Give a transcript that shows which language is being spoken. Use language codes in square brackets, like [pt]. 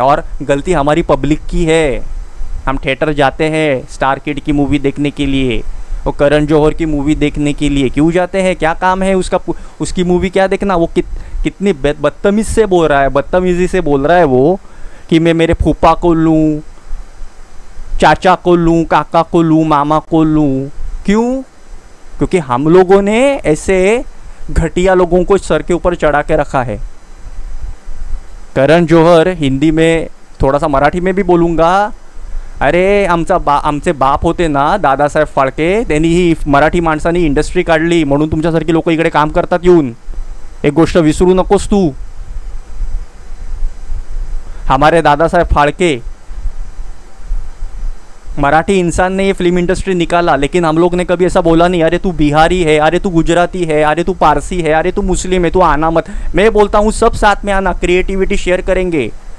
[hi] और गलती हमारी पब्लिक की है, हम थिएटर जाते हैं स्टार किड की मूवी देखने के लिए, वो करण जौहर की मूवी देखने के लिए क्यों जाते हैं, क्या काम है उसका, उसकी मूवी क्या देखना, वो कितनी बदतमीज से बोल रहा है, बदतमीजी से बोल रहा है वो कि मैं मेरे फूफा को लूँ, चाचा को लूँ, काका को लूँ, मामा को लूँ। क्यों? क्योंकि हम लोगों ने ऐसे घटिया लोगों को सर के ऊपर चढ़ा के रखा है। करण जौहर हिंदी में, थोड़ा सा मराठी में भी बोलूँगा, [mr] अरे आमचे बाप होते ना दादा साहेब फाळके, त्यांनी ही मराठी माणसांनी इंडस्ट्री काढली म्हणून तुमच्यासारखी लोक इकडे काम करतात येऊन, एक गोष्ट विसरू नकोस तू। [hi] हमारे दादासाहेब फाळके मराठी इंसान ने ये फिल्म इंडस्ट्री निकाला, लेकिन हम लोग ने कभी ऐसा बोला नहीं, अरे तू बिहारी है, अरे तू गुजराती है, अरे तू पारसी है, अरे तू मुस्लिम है, तू आना मत, मैं बोलता हूँ सब साथ में आना, क्रिएटिविटी शेयर करेंगे।